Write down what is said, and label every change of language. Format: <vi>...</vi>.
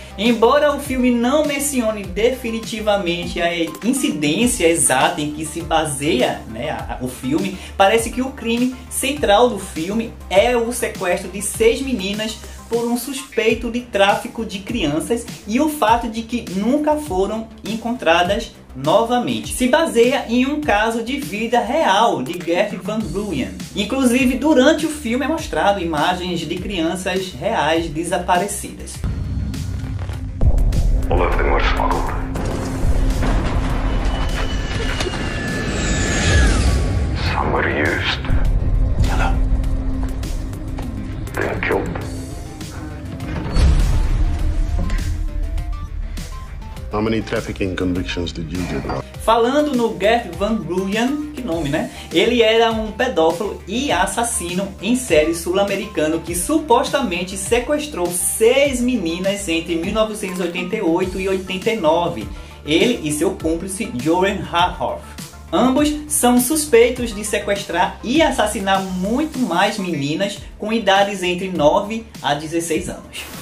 <pt>Embora o filme não mencione definitivamente a incidência exata em que se baseia, né, o filme, parece que o crime central do filme é o sequestro de 6 meninas por um suspeito de tráfico de crianças e o fato de que nunca foram encontradas novamente. Se baseia em um caso de vida real de Gert Van Gruyen. Inclusive, durante o filme é mostrado imagens de crianças reais desaparecidas.</pt> <en>All of them were smuggled. Some were used. Hello. Then killed. How many trafficking convictions did you get?</en> <pt>Falando no Gert Van Gruyen, que nome, né? Ele era um pedófilo e assassino em série sul-americano que supostamente sequestrou 6 meninas entre 1988 e 89. Ele e seu cúmplice, Joren Harhoff. Ambos são suspeitos de sequestrar e assassinar muito mais meninas com idades entre 9 a 16 anos.</pt>